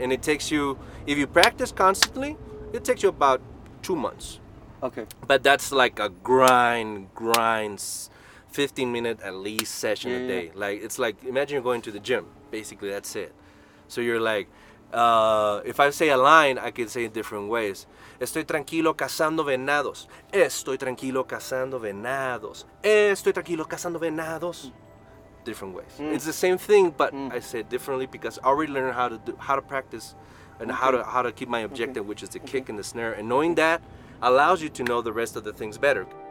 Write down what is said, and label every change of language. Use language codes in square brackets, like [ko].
[en] And it takes you, if you practice constantly, it takes you about 2 months. Okay. But that's like a grind, 15 minute at least session a day. Yeah. Like, it's like, imagine you're going to the gym. Basically, that's it. So you're like, if I say a line, I can say it different ways. [es] Estoy tranquilo cazando venados. Estoy tranquilo cazando venados. Estoy tranquilo cazando venados. [en] Different ways. It's the same thing, but I say it differently because I already learned how to practice and okay. how to keep my objective, okay. which is the okay. kick and the snare. And knowing that allows you to know the rest of the things better.